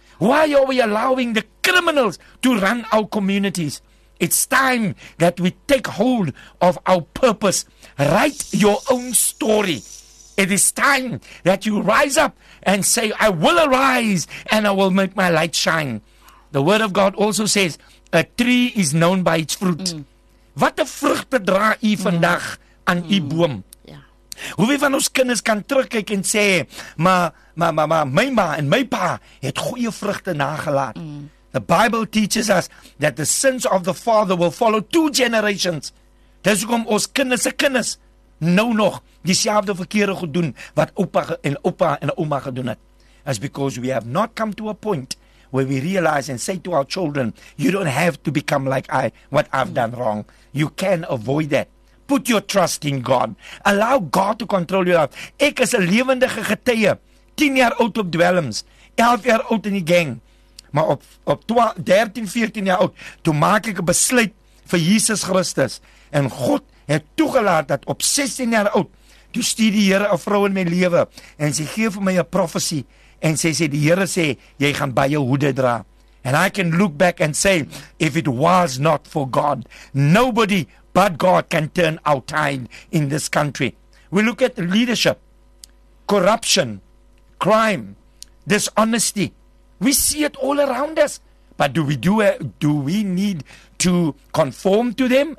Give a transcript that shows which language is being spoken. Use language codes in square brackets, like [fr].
[en] Why are we allowing the criminals to run our communities? It's time that we take hold of our purpose. Write your own story. It is time that you rise up and say, I will arise and I will make my light shine. The word of God also says, a tree is known by its fruit. [af] Wat 'n vrugte dra u vandag aan u boom? Hoeveel van ons kinders kan terugkyk en sê, my ma en my pa het goeie vrugte nagelaat. [en] The Bible teaches us that the sins of the father will follow two generations. [af] Dis hoekom ons kinders se kinders nou nog dieselfde verkeerde goed doen wat oupa en ouma gedoen het. [en] It's because we have not come to a point where we realize and say to our children, you don't have to become like what I've done wrong. You can avoid that. Put your trust in God. Allow God to control your life. [af] Ek is 'n lewendige getuie. 10 jaar oud op dwelms, 11 jaar oud in die gang. Maar op 13, 14 jaar oud, toe maak ek 'n besluit vir Jesus Christus. En God het toegelaat dat op 16 jaar oud, toe stuur die Here 'n vrou in my lewe. En sy gee vir my 'n profesie. En sy sê, die Here sê, jy gaan baie hoede dra. [en] And I can look back and say, if it was not for God, nobody but God can turn our tide in this country. We look at leadership, corruption, crime, dishonesty. We see it all around us. But do we need to conform to them?